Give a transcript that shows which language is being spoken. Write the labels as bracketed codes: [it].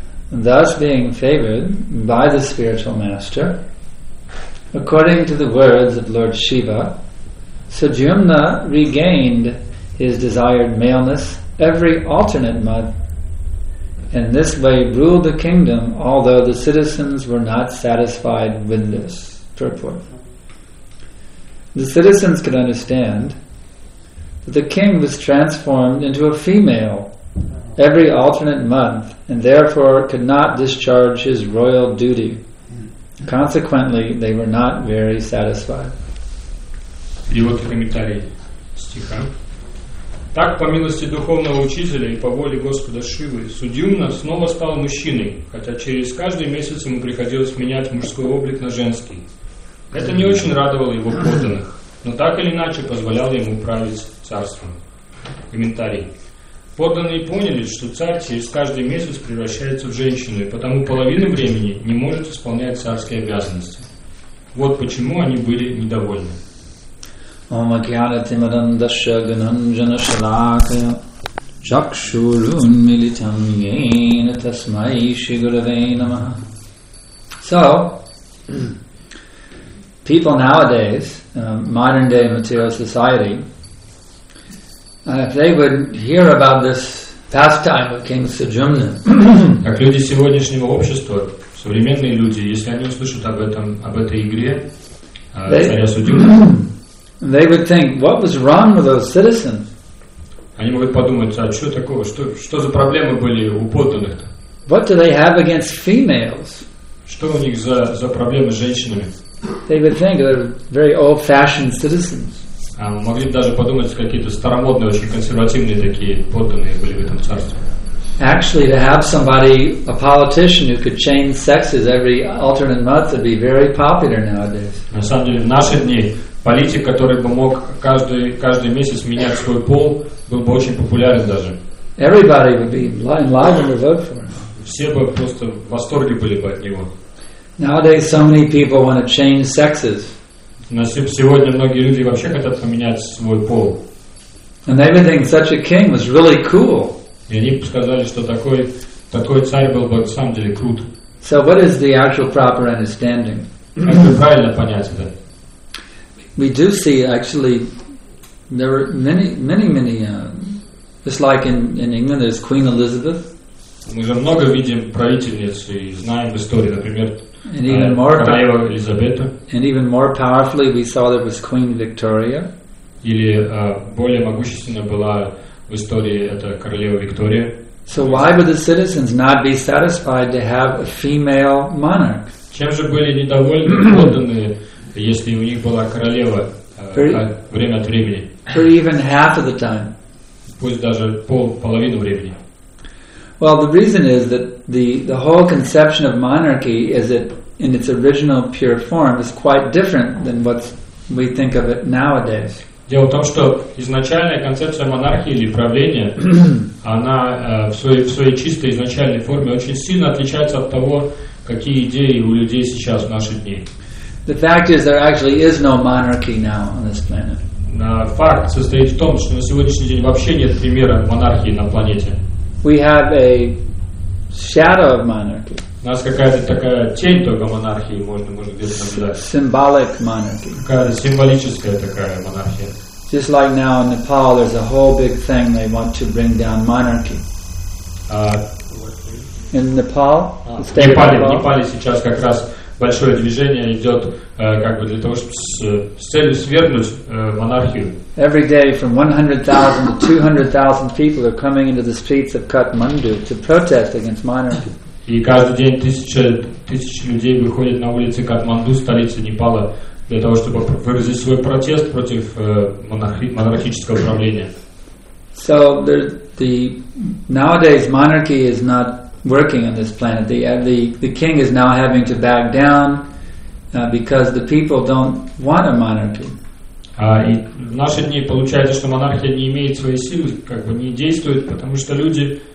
[en] Thus being favored by the spiritual master, according to the words of Lord Shiva, Sujumna regained his desired maleness every alternate month, and this way ruled the kingdom, although the citizens were not satisfied with this. Purport. The citizens could understand that the king was transformed into a female every alternate month, and therefore could not discharge his royal duty. Consequently, they were not very satisfied. [ru] Перевод комментарий стиха. Так, по милости духовного учителя и по воле Господа Шивы, Судьюмна снова стал мужчиной, хотя через каждый месяц ему приходилось менять мужской облик на женский. Это не очень радовало его подданных, но так или иначе позволяло ему править царством. Комментарий. Подданные поняли, что царь через каждый месяц превращается в женщину, и потому половину времени не может исполнять царские обязанности. Вот почему они были недовольны. [sa] Ом агьянати мадандаша гананджана шалакая чакшурун милитам йена тасмай шри гураве намаха. [en] So, people nowadays, modern day material society, if they would hear about this pastime of King Sujumna, [ru] как люди сегодняшнего общества, современные люди, если они услышат об этом, об этой игре, царя Судьюмна, [en] they would think, what was wrong with those citizens? [ru] Они могут подумать, а что такого, что за проблемы были у подданных-то? [en] What do they have against females? [ru] Что у них за проблемы с женщинами? [en] They would think they're very old-fashioned citizens. [ru] Могли бы даже подумать, какие-то старомодные, очень консервативные такие подданные были в этом царстве. [en] Actually, to have somebody, a politician, who could change sexes every alternate month would be very popular nowadays. [ru] На самом деле, в наши дни политик, который бы мог каждый месяц менять свой пол, был бы очень популярен даже. [en] Everybody would be in line to vote for him. [ru] Все бы просто в восторге были бы от него. [en] Nowadays, so many people want to change sexes. [ru] На сегодня многие люди вообще хотят поменять свой пол. [en] And they would think such a king was really cool. [ru] И они сказали, что такой царь был бы на самом деле крут. [en] So what is the actual proper understanding? [ru] Это правильно понять это. [en] We do see actually there are many just like in England there's Queen Elizabeth. [ru] Мы же много видим правительниц и знаем в истории, например, королева Елизавета. [en] And even more powerfully we saw there was Queen Victoria. [ru] Или более могущественно была в истории это королева Виктория. [en] So why would the citizens not be satisfied to have a female monarch? [ru] Чем же были недовольны подданные, если у них была королева время от времени? [en] For even half of the time. [ru] Пусть даже половину времени. [en] Well, the reason is that the whole conception of monarchy is it in its original pure form is quite different than what we think of it nowadays. [ru] Дело в том, что изначальная концепция монархии или правления, она в своей чистой изначальной форме очень сильно отличается от того, какие идеи у людей сейчас в наши дни. [en] The fact is there actually is no monarchy now on this planet. [ru] Факт состоит в том, что на сегодняшний день вообще нет примера монархии на планете. [en] We have a shadow of monarchy. [ru] У нас какая-то такая тень только монархии можно где-то наблюдать. [en] Symbolic monarchy. [ru] Какая-то символическая такая монархия. [en] Just like now in Nepal, there's a whole big thing they want to bring down monarchy. In Nepal? [ru] В Непале сейчас как раз большое движение идет как бы для того, чтобы с целью свергнуть монархию. [en] Every day from 100,000 to 200,000 people are coming into the streets of Kathmandu to protest against monarchy. [ru] И каждый день тысячи людей выходят на улицы Катманду, столицы Непала, для того, чтобы выразить свой протест против монархического правления. [en] So the nowadays monarchy is not working on this planet. The king is now having to back down because the people don't want a monarchy. [ru] И в наши дни получается, что монархия не имеет своей силы, как бы не действует, потому что люди.